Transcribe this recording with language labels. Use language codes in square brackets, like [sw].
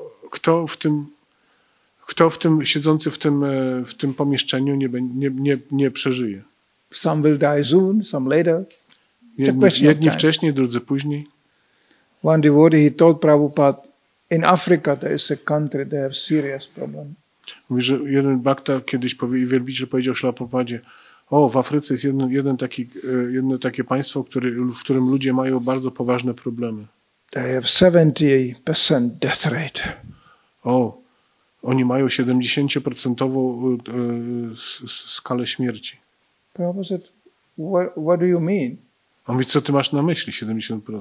[pl] Kto siedzący w tym pomieszczeniu nie przeżyje. [en] Some will die soon, some later. [pl] Jedni wcześniej, drudzy później. [en] One devotee, he told Prabhupada, in Africa there is a country, they have serious problem. [pl] Mówi, że jeden bhakta kiedyś powiedział Śrila Prabhupadzie, o, w Afryce jest jedno takie państwo, w którym ludzie mają bardzo poważne problemy. [en] They have 70% death rate. [pl] O, oni mają 70% skalę śmierci. [en] Prabhupada said, what do you mean? [pl] On mówi, co ty masz na myśli, 70%?